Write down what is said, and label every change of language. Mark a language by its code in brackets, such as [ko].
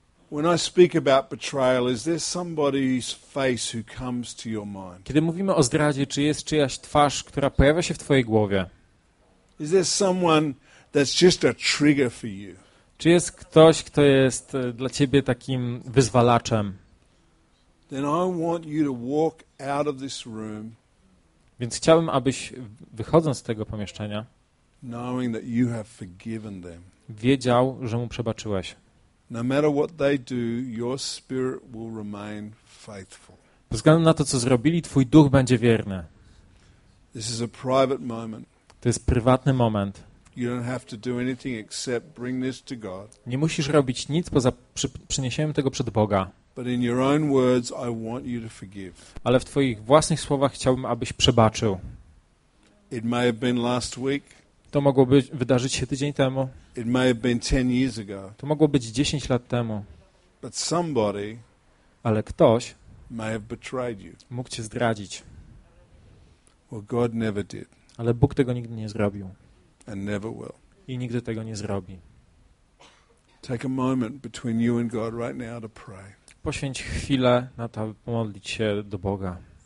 [en] When I speak about betrayal, is there somebody's face who comes to your mind? [pl] Kiedy mówimy o zdradzie, czy jest czyjaś twarz, która pojawia się w twojej głowie? [en] Is there someone that's just a trigger for you? [pl] Czy jest ktoś, kto jest dla ciebie takim wyzwalaczem? [en] Then I want you to walk out of this room. [pl] Więc chciałbym, abyś wychodząc z tego pomieszczenia, [en] knowing that you have forgiven them. [pl] Wiedział, że mu przebaczyłeś. [en] No matter what they do, your spirit will remain faithful. [pl] Bez względu na to, co zrobili, twój duch będzie wierny. [en] This is a private moment. [pl] To jest prywatny moment. [en] You don't have to do anything except bring this to God. [pl] Nie musisz robić nic poza przyniesieniem tego przed Boga. [en] But in your own words, I want you to forgive. [pl] Ale w twoich własnych słowach chciałbym, abyś przebaczył. [en] It may have been last week. [pl] To mogło być, wydarzyć się tydzień temu. [en] It may have been 10 years ago. [pl] To mogło być 10 lat temu. [en] But somebody, [pl] ale ktoś [en] may have betrayed you. [pl] Mógł cię zdradzić. [en] Well, God never did. [pl] Ale Bóg tego nigdy nie zrobił. [en] And never will. [pl] I nigdy tego nie zrobi. [en] Take a moment between you and God right now to pray. [pl] Poświęć chwilę na to, aby pomodlić się do Boga.